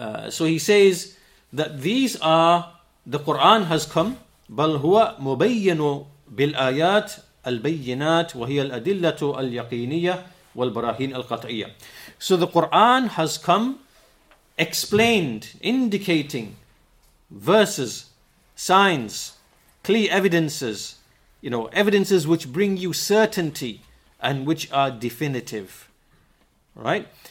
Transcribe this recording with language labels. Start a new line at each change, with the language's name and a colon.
English: So he says that these are, the Quran has come.
Arabic: بَلْ هُوَ مُبَيِّنُ بِالْآيَاتِ al-bayyinat وَهِيَ الْأَدِلَّةُ الْيَقِينِيَّةِ وَالْبَرَاهِينَ الْقَطْعِيَّةِ.
English: So the Quran has come, explained, indicating verses, signs, clear evidences, you know, evidences which bring you certainty and which are definitive. Right?